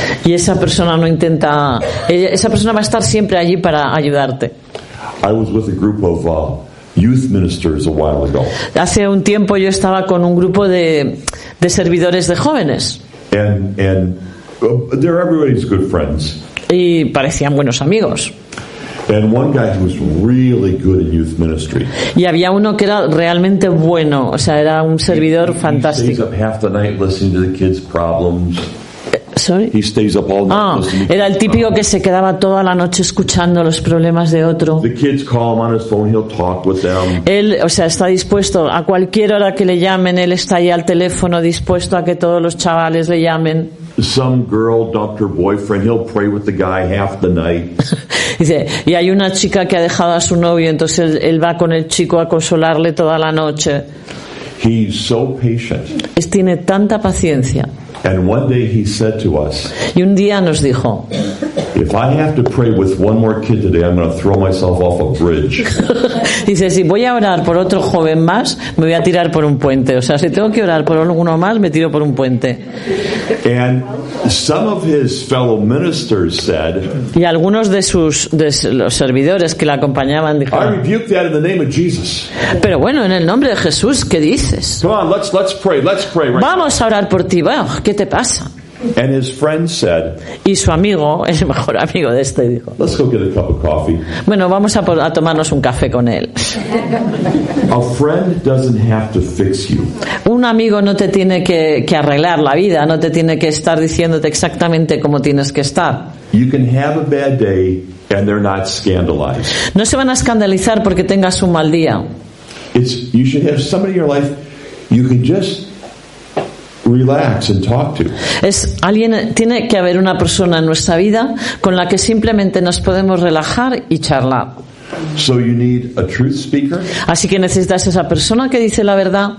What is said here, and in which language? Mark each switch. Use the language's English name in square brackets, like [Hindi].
[Spanish] Y esa persona no intenta. Esa persona va a estar siempre allí para ayudarte. [English] I was with a group of youth ministers a while ago. [Spanish] Hace un tiempo yo estaba con un grupo de servidores de jóvenes. [English] And they're everybody's good friends. [Spanish] Y parecían buenos amigos. [English] And one guy who was really good in youth ministry. [Spanish] Y había uno que era realmente bueno, o sea, era un servidor fantástico. [English] He stays up half the night listening to the kids' problems. Sorry. He stays up all night. [Spanish] Ah, era el típico que se quedaba toda la noche escuchando los problemas de otro. [English] The kids call him on his phone. He'll talk with them. [Spanish] Él, o sea, está dispuesto a cualquier hora que le llamen. Él está ahí al teléfono, dispuesto a que todos los chavales le llamen. [English] Some girl dumped her boyfriend. He'll pray with the guy half the night. [Spanish] Dice, y hay una chica que ha dejado a su novio, entonces él va con el chico a consolarle toda la noche. [English] He's so patient. [Spanish] Tiene tanta paciencia. [English] And one day he said to us, [Spanish] y un día nos dijo, [English] if I have to pray with one more kid today, I'm going to throw myself off a bridge. [Spanish] Dice, si voy a orar por otro joven más, me voy a tirar por un puente. O sea, si tengo que orar por alguno más, me tiro por un puente. [English] And some of his fellow ministers said, [Spanish] y algunos de los servidores que le acompañaban dijeron, [English] I rebuke that in the name of Jesus. [Spanish] Pero bueno, en el nombre de Jesús, ¿qué dices? [English] Come on, let's pray, let's pray right. [Spanish] Vamos a orar por ti. Bueno, ¿qué te pasa? [English] And his friend said, [Spanish] y su amigo, el mejor amigo de este, dijo, [English] let's go get a cup of coffee. [Spanish] Bueno, vamos a tomarnos un café con él. [English] A friend doesn't have to fix you. [Spanish] Un amigo no te tiene que arreglar la vida, no te tiene que estar diciéndote exactamente cómo tienes que estar. [English] You can have a bad day and they're not scandalized. [Spanish] No se van a escandalizar porque tengas un mal día. [English] It's, you should have somebody in your life you can just relax and talk to. [Spanish] Es alguien, tiene que haber una persona en nuestra vida con la que simplemente nos podemos relajar y charlar. [English] So you need a truth speaker. [Spanish] Así que necesitas esa persona que dice la verdad.